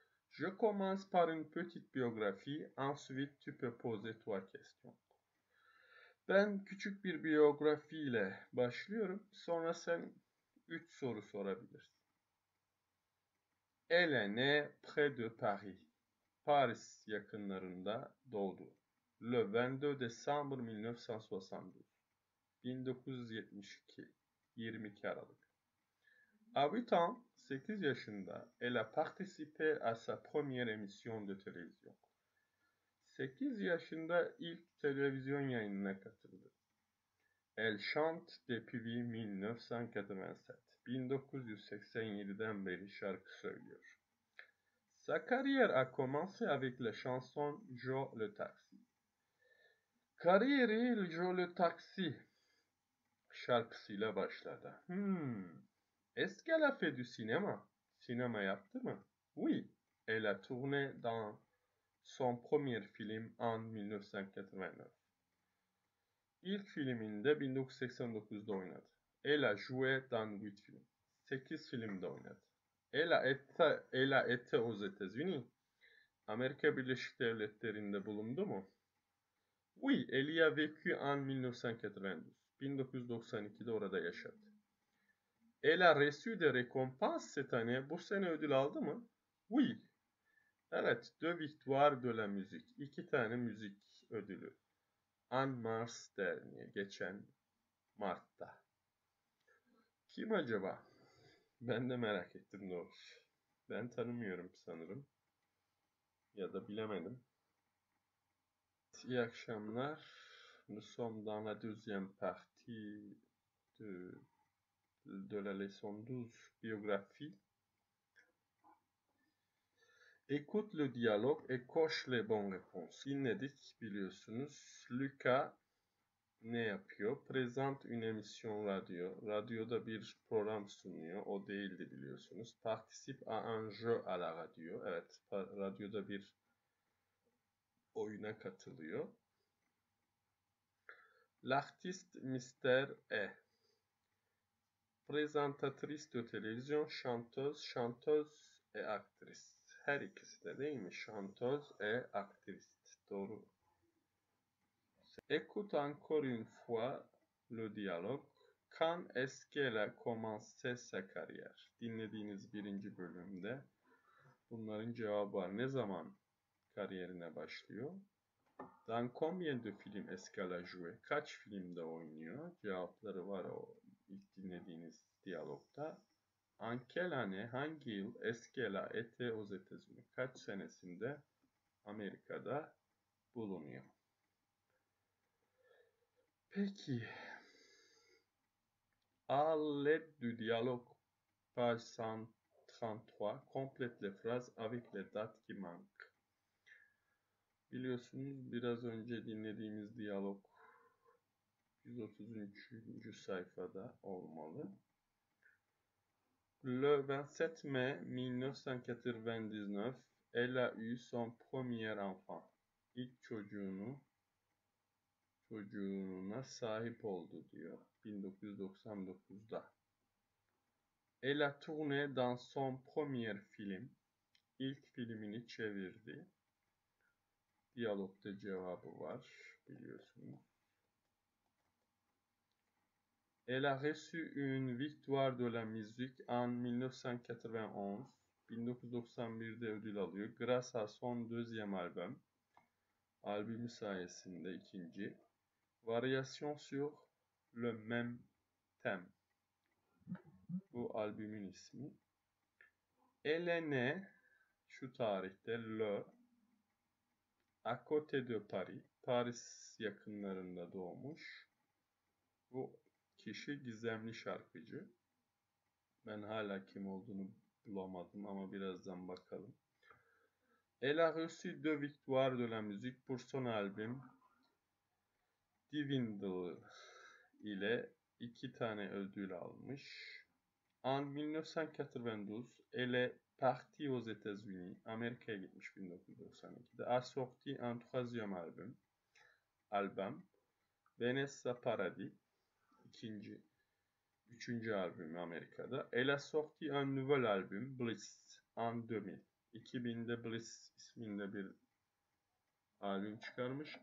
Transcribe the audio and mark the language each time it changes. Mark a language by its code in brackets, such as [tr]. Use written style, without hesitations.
[fr] Je commence par une petite biyografi, ensuite tu peux poser toi question. [tr] Ben küçük bir biyografi ile başlıyorum, sonra sen 3 soru sorabilirsin. [fr] Elle est née près de Paris. [tr] Paris yakınlarında doğdu. [fr] Le 22 décembre 1972. 1972, [tr] 22 Aralık. [fr] À 8 ans, [tr] 8 yaşında, [fr] elle a participé à sa première émission de télévision. [tr] 8 yaşında ilk televizyon yayınına katıldı. [fr] Elle chante depuis 1987. [tr] 1987'den beri şarkı söylüyor. [fr] Sa carrière a commencé avec la chanson Joe le Taxi. [tr] Kariyeri Joe le Taxi şarkısıyla başladı. [fr] Est-ce qu'elle a fait du cinéma? [tr] Sinema yaptı mı? [fr] Oui, elle a tourné dans son premier film en 1989. [tr] İlk filminde 1989'da oynadı. [fr] Elle a joué dans 8 films. [tr] 8 filmde oynadı. [fr] Elle a été aux États-Unis. [tr] Amerika Birleşik Devletleri'nde bulundu mu? [fr] Oui, elle y a vécu en 1992. [tr] 1992'de orada yaşadı. [fr] Elle a reçu des récompenses cette année. [tr] Bu sene ödül aldı mı? [fr] Oui. [tr] Evet, [fr] 2 victoires de la musique. [tr] 2 tane müzik ödülü. [fr] En mars dernier, [tr] geçen Mart'ta. Kim acaba? Ben de merak ettim doğrusu. Ben tanımıyorum sanırım. Ya da bilemedim. İyi akşamlar. [fr] Nous sommes dans la deuxième partie de la leçon 12, biographie. Écoute le dialogue et coche les bonnes réponses. Inédit, [tr] biliyorsunuz. Luca ne yapıyor? [fr] Présente une émission radio. [tr] Radyoda bir program sunuyor. O değildi biliyorsunuz. [fr] Participe à un jeu à la radio. [tr] Evet, radyoda bir oyuna katılıyor. [fr] L'artiste Mister E. Présentatrice de télévision, chanteuse et actrice. [tr] Her ikisi de değil mi? [fr] Chanteuse et actrice. [tr] Doğru. [fr] Écoute encore une fois le dialogue. Quand est-ce qu'elle a commencé sa carrière? [tr] Dinlediğiniz birinci bölümde bunların cevabı var. Ne zaman kariyerine başlıyor? [fr] Dans combien de films est-ce qu'elle a joué? [tr] Kaç filmde oynuyor? Cevapları var o ilk dinlediğiniz diyalogda. [fr] En quelle année, [tr] hangi yıl, [fr] est-ce qu'elle a été aux États-Unis? [tr] Kaç senesinde Amerika'da bulunuyor? Peki. [fr] À l'aide du dialogue, page 133, complète les phrases avec les dates qui manquent. [tr] Biliyorsunuz biraz önce dinlediğimiz diyalog 133. sayfada olmalı. [fr] Le 27 mai 1999, elle a eu son premier enfant. [tr] İlk çocuğuna sahip oldu diyor 1999'da. [fr] Elle a tourné dans son premier film. [tr] İlk filmini çevirdi. Diyalogda cevabı var, biliyorsunuz. [fr] Elle a reçu une victoire de la musique en 1991. [tr] 1991'de ödül alıyor. [fr] Grâce à son deuxième album. [tr] Albümü sayesinde ikinci. [fr] Variation sur le même thème. [tr] Bu albümün ismi. [fr] Elle est née [tr] şu tarihte [fr] le à côté de Paris. [tr] Paris yakınlarında doğmuş. Bu kişi gizemli şarkıcı. Ben hala kim olduğunu bulamadım ama birazdan bakalım. [fr] Elle a reçu deux victoires de la musique pour son album Divindle [tr] ile iki tane ödül almış. [fr] En 1992, elle est partie aux États-Unis. [tr] Amerika'ya gitmiş 1992'de. [fr] A sorti un troisième album. Vanessa Paradis. [tr] Üçüncü albümü Amerika'da. [fr] Elle a sorti un nouvel album, Bliss, en 2000. [tr] 2000'de Bliss isminde bir albüm çıkarmış.